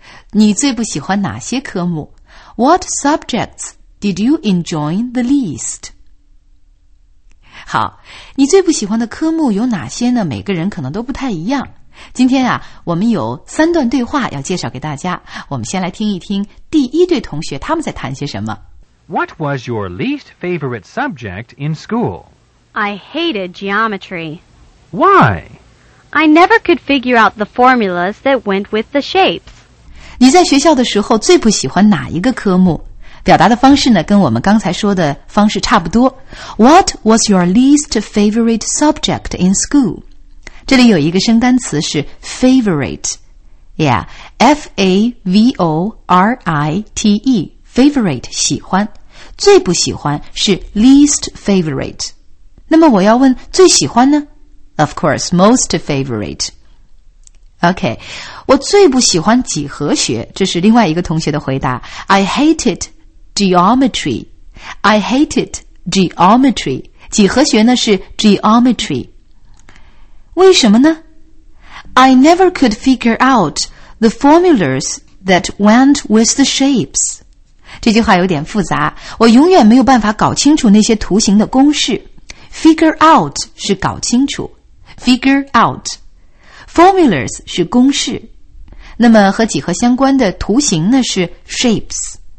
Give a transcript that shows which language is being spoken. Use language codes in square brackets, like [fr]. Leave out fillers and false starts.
[zh] 你最不喜欢哪些科目？ [en] What subjects did you enjoy the least? [zh] 好，你最不喜欢的科目有哪些呢？每个人可能都不太一样。今天啊，我们有三段对话要介绍给大家。我们先来听一听第一对同学他们在谈些什么。 [en] What was your least favorite subject in school? I hated geometry. Why? I never could figure out the formulas that went with the shapes. [zh] 你在学校的时候最不喜欢哪一个科目？表达的方式呢，跟我们刚才说的方式差不多。 [en] What was your least favorite subject in school? [zh] 这里有一个声单词是 favorite, yeah, F-A-V-O-R-I-T-E, favorite, 喜欢。最不喜欢是 least favorite。那么我要问最喜欢呢？ [en] Of course, most favorite. [zh] Okay, 我最不喜欢几何学，这是另外一个同学的回答。 [en] I hated geometry. I hated geometry. [zh] 几何学呢是 geometry. 为什么呢？ [en] I never could figure out the formulas that went with the shapes. [zh] 这句话有点复杂，我永远没有办法搞清楚那些图形的公式。 Figure out 是搞清楚， figure out. Formulas 是公式，那么和几何相关的图形呢是 shapes。